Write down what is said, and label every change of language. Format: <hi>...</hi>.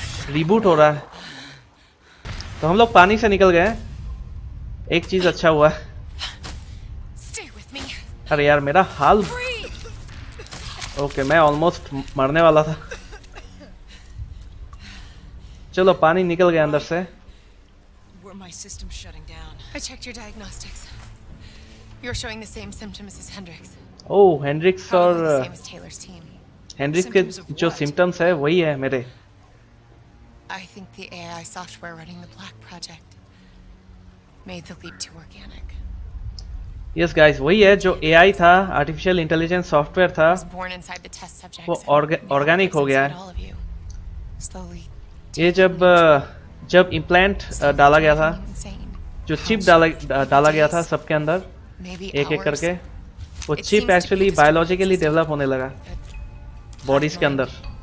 <hi>Reboot हो रहा है. तो हम लोग पानी से निकल गए, एक चीज अच्छा हुआ. अरे यार, मेरा हाल. ओके, मैं ऑलमोस्ट मरने वाला था. चलो, पानी निकल गया अंदर से.</hi> <en>Were my system shutting down? I checked your diagnostics. You're showing the same symptoms as Hendricks. Oh, Hendricks or Taylor's team.</en> <hi>Hendricks के जो symptoms है वही है मेरे.</hi> <en>I think the AI software running the Black Project made the leap to organic. Yes guys,</en> <hi>वही है जो AI था, आर्टिफिशियल इंटेलिजेंस सॉफ्टवेयर था, वो ऑर्गेनिक हो गया है. ये जब इम्प्लांट डाला गया था, जो चिप डाला गया था सबके अंदर एक एक करके, वो चिप एक्चुअली बायोलॉजिकली डेवलप होने लगा बॉडीज के अंदर.</hi>